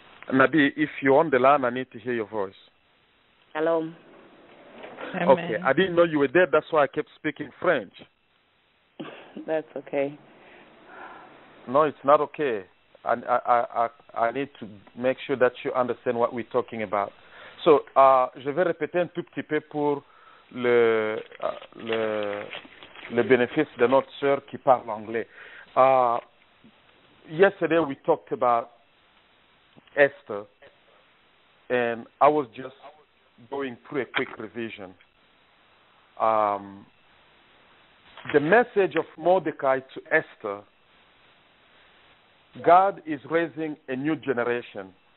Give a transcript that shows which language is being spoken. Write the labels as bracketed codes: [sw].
[en] Nabi, if you're on the line, I need to hear your voice. Hello. Amen. Okay, I didn't know you were there. That's why I kept speaking French. That's okay. No, it's not okay. I need to make sure that you understand what we're talking about. [fr] So, je vais répéter un tout petit peu pour le bénéfice de notre sœur qui parle anglais. [en] Yesterday we talked about Esther, and I was just going through a quick revision. The message of Mordecai to Esther: God is raising a new generation.